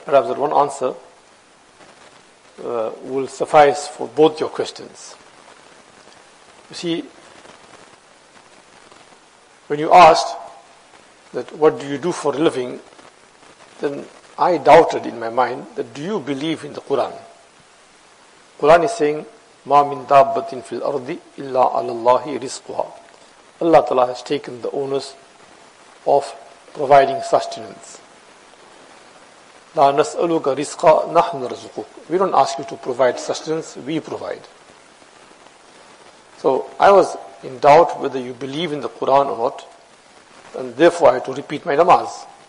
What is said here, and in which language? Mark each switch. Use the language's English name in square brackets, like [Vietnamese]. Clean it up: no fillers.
[English] Perhaps that one answer will suffice for both your questions. You see, when you asked that what do you do for a living, then I doubted in my mind that do you believe in the Quran? Quran is saying, [Arabic] مَا مِن دَابَّةٍ فِي الْأَرْضِ إِلَّا عَلَى اللَّهِ رِزْقُهَا. [English] Allah Ta'ala has taken the onus of providing sustenance. [Arabic] لَا نَسْأَلُكَ رِزْقَ نَحْنَ رَزُقُكَ. [English] We don't ask you to provide sustenance, we provide. So I was in doubt whether you believe in the Quran or not, and therefore I had to repeat my namaz.